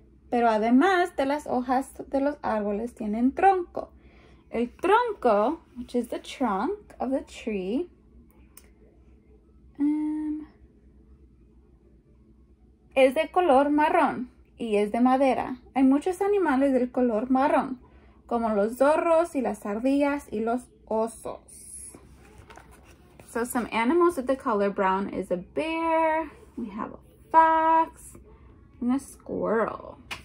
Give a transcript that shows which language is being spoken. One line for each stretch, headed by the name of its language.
Spanish: Pero además de las hojas de los árboles tienen tronco. El tronco,
English: which is the trunk of the tree.
Spanish: Es de color marrón y es de madera. Hay muchos animales del color marrón, como los zorros y las ardillas y los osos.
English: So some animals with the color brown is a bear, we have a fox, and a squirrel.